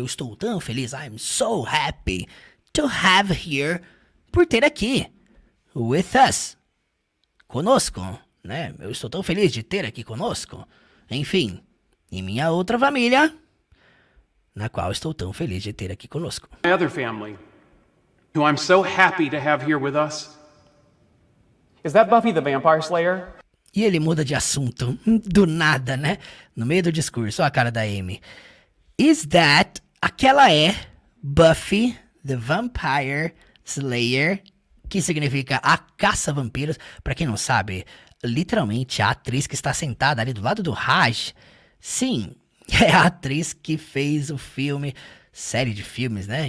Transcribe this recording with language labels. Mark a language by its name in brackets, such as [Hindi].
[Portuguese] Eu estou tão feliz. [English] I'm so happy to have here. [Portuguese] Por ter aqui. [English] With us. [Portuguese] Conosco, né? Eu estou tão feliz de ter aqui conosco. Enfim, e minha outra família, na qual estou tão feliz de ter aqui conosco. [English] My other family, who I'm so happy to have here with us. Is that Buffy the Vampire Slayer? [Portuguese] E ele muda de assunto, do nada, né? No meio do discurso, olha a cara da Amy. [English] Is that, [Portuguese] aquela é, Buffy the Vampire Slayer, que significa a caça-vampiros. Pra quem não sabe, literalmente a atriz que está sentada ali do lado do Raj, sim, é a atriz que fez o filme, série de filmes, né?